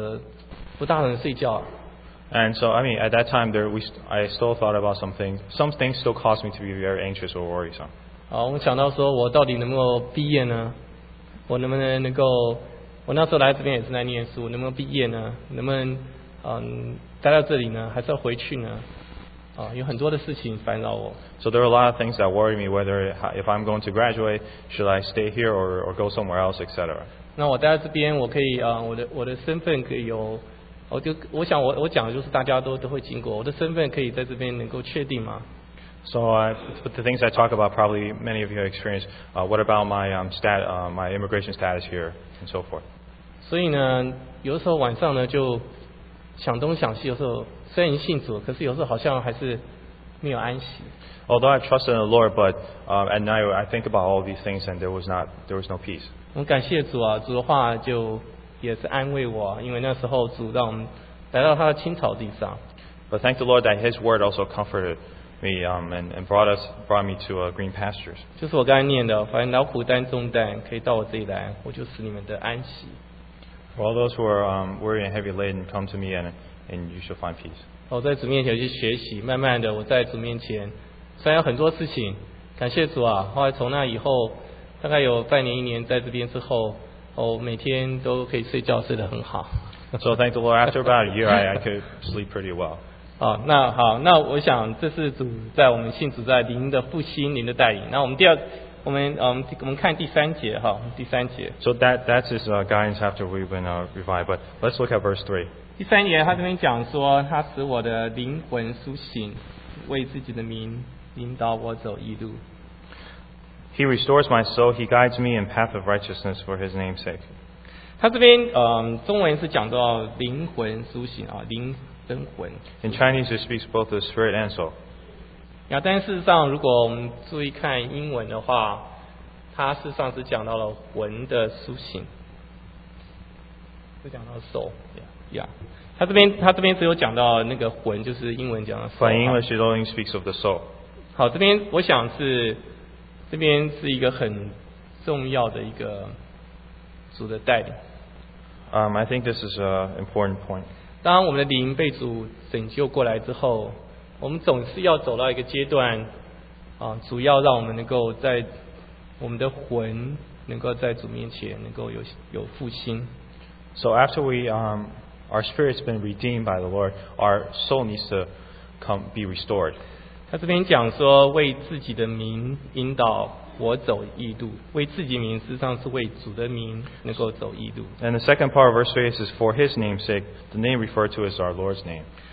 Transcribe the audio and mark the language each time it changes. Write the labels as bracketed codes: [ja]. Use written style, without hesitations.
[zh] 哦，那我也想到说，当时候呢，主的话也安慰我，因为我那时候还是，很紧，心里面有一些有时候遇到事情还是会很紧张，然后晚上有时候会想事情呢，有时候想的不大能睡觉。And [en] so I mean, at that time, I still thought about something. Some things still caused me to be very anxious or worrisome. [zh] 哦，我想到说我到底能不能够毕业呢？我能不能够？我那时候来这边也是在念书，能不能毕业呢？能不能待到这里呢？还是要回去呢？有很多的事情烦扰我。 [en] So there are a lot of things that worry me, whether if I'm going to graduate, should I stay here or go somewhere else, etc. [zh] 那我待在这边，我可以我的身份可以有，我想我讲的就是大家都会经过，我的身份可以在这边能够确定吗？ [en] So but the things I talk about probably many of you have experienced. What about my immigration status here and so forth? [zh] 所以呢，有时候晚上呢就想东想西，有时候虽然信主，可是有时候好像还是没有安息。 [en] Although I trust in the Lord, but at night I think about all these things and there was no peace. [zh] 我感谢主啊，主的话就也是安慰我，因为那时候主让我们来到他的青草地上。 [en] But thank the Lord that His word also comforted. Me and brought me to a green pastures. [zh] 就是我刚才念的，凡劳苦担重担，可以到我这里来，我就使你们的安息。 [en] For all those who are weary and heavy laden, come to me and you shall find peace. [zh] 我在主面前去学习，慢慢的我在主面前，虽然有很多事情，感谢主啊。后来从那以后，大概有半年一年在这边之后，我每天都可以睡觉睡得很好。 [en] So thank the Lord. After about a year, I could sleep pretty well. [zh] 那好，那我想这是主在我们信主在灵的复兴灵的带领。那我们第二，我们看第三节哈，第三节。 [en] So that is guidance after we've been revived. But let's look at verse 3. [zh] 第三节他这边讲说，他使我的灵魂苏醒，为自己的名引导我走义路。 [en] He restores my soul. He guides me in path of righteousness for His name's sake. [zh] 他这边中文是讲到灵魂苏醒啊，灵。 [en] In Chinese, it speaks both the spirit and soul. [zh] 呀，但事实上，如果我们注意看英文的话，它事实上是讲到了魂的苏醒，是讲到 soul. [en] Yeah. [zh] 它这边只有讲到那个魂，就是英文讲的 soul. [en] But English, it only speaks of the soul. [zh] 好，这边我想是这边是一个很重要的一个主的带领。 [en] I think this is an important point. [zh] 当我们的灵被主拯救过来之后，我们总是要走到一个阶段，主要让我们能够在我们的魂能够在主面前能够有复兴。 [en] So after we our spirit's been redeemed by the Lord, our soul needs to come be restored. [zh] 他这边讲说，为自己的名引导我走义路，为自己名实际上是为主的名能够走义路。 [en] And the second part of verse 3 is for His name's sake. The name referred to is our Lord's name.